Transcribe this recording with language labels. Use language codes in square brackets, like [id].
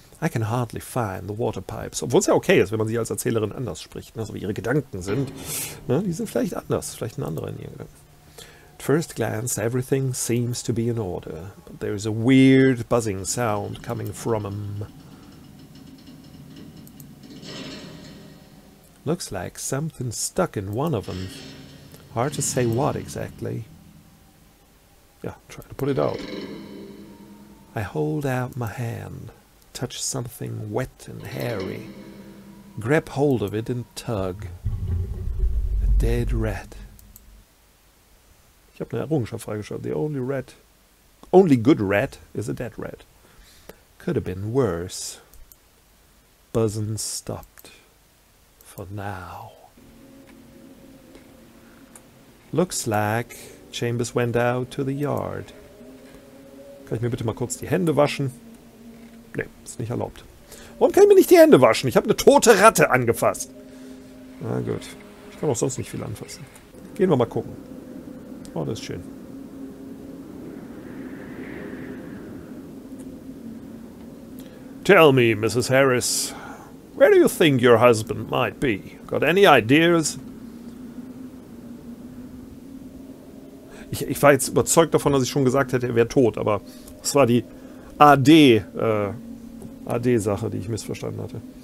[en] I can hardly find the water pipes. [de] Obwohl es ja okay ist, wenn man sie als Erzählerin anders spricht. Ne? So wie ihre Gedanken sind. Ne? Die sind vielleicht anders. Vielleicht ein anderer in ihren Gedanken. [en] At first glance, everything seems to be in order. But there is a weird buzzing sound coming from them. Looks like something stuck in one of them. Hard to say what exactly. Yeah, try to put it out. I hold out my hand. Touch something wet and hairy. Grab hold of it and tug. A dead rat. [de] Ich habe eine Errungenschaft freigeschaltet. [en] The only rat, only good rat is a dead rat. Could have been worse. Buzzing stopped. For now. Looks like Chambers went out to the yard. [de] Kann ich mir bitte mal kurz die Hände waschen? Nee, ist nicht erlaubt. Warum kann ich mir nicht die Hände waschen? Ich habe eine tote Ratte angefasst. Na gut. Ich kann auch sonst nicht viel anfassen. Gehen wir mal gucken. Oh, das ist schön. [en] Tell me, Mrs. Harris, where do you think your husband might be? Got any ideas? [de] Ich war jetzt überzeugt davon, dass ich schon gesagt hätte, er wäre tot, aber es war die AD-Sache, die ich missverstanden hatte.